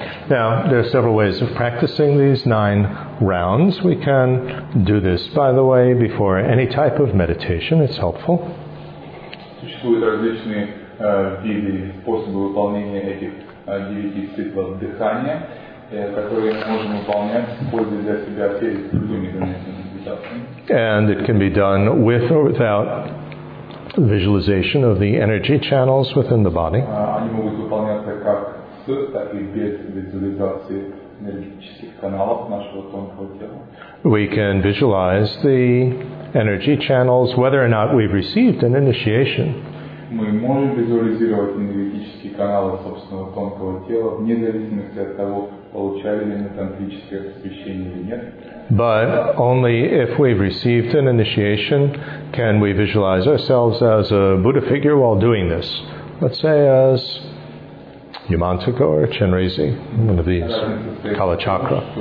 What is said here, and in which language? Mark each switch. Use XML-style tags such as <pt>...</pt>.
<en>Now, there are several ways of practicing these 9 rounds. We can do this, by the way, before any type of meditation. It's helpful.</en> <ru>Существуют различные виды, способы выполнения этих 9 циклов дыхания, которые мы можем выполнять, используя для себя перед другими медитациями.</ru> <en>And it can be done with or without visualization of the energy channels within the body.</en> <ru>Они могут выполняться как с, так и без визуализации энергетических каналов нашего тонкого тела.</ru> <en>We can visualize the energy channels, whether or not we've received an initiation.</en> <ru>Мы можем визуализировать энергетические каналы собственного тонкого тела, вне зависимости от того, получали ли мы тантрическое посвящение или нет.</ru> <en>But only if we've received an initiation can we visualize ourselves as a Buddha figure while doing this. Let's say as Yamantaka or Chenrezig, one of these, Kala Chakra.</en>